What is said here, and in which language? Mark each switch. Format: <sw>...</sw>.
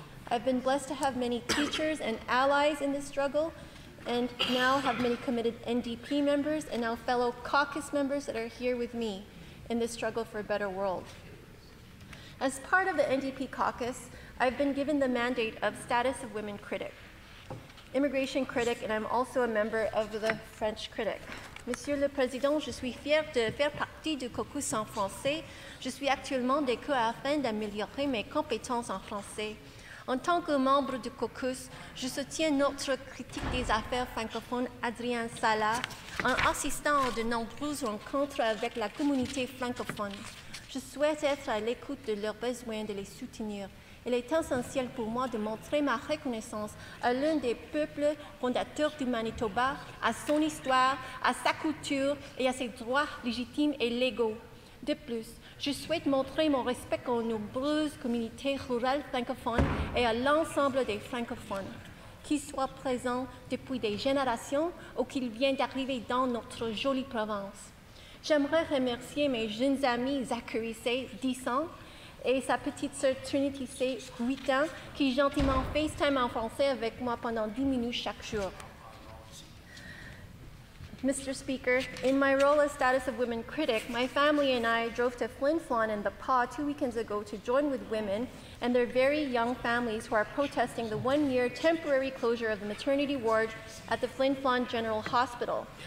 <en>I've been blessed to have many teachers and allies in this struggle, and now have many committed NDP members and now fellow caucus members that are here with me in this struggle for a better world. As part of the NDP caucus, I've been given the mandate of status of women critic, immigration critic, and I'm also a member of the French critic.</en> <fr>Monsieur le Président, je suis fière de faire partie du caucus en français. Je suis actuellement des cours afin d'améliorer mes compétences en français. En tant que membre du caucus, je soutiens notre critique des affaires francophones, Adrien Sala, en assistant à de nombreuses rencontres avec la communauté francophone. Je souhaite être à l'écoute de leurs besoins et de les soutenir. Il est essentiel pour moi de montrer ma reconnaissance à l'un des peuples fondateurs du Manitoba, à son histoire, à sa culture et à ses droits légitimes et légaux. De plus, je souhaite montrer mon respect aux nombreuses communautés rurales francophones et à l'ensemble des francophones. qu'il soit présent depuis des générations ou qu'il vient d'arriver dans notre jolie province. J'aimerais remercier mes jeunes amis Zachary Say, 10 ans, et sa petite sœur Trinity Say, 8 ans, qui gentiment FaceTime en français avec moi pendant 10 minutes chaque jour.</fr> <en>Mr. Speaker, in my role as status of women critic, my family and I drove to Flin Flon and the PAW 2 weekends ago to join with women and their very young families who are protesting the 1-year temporary closure of the maternity ward at the Flin Flon General Hospital.</en>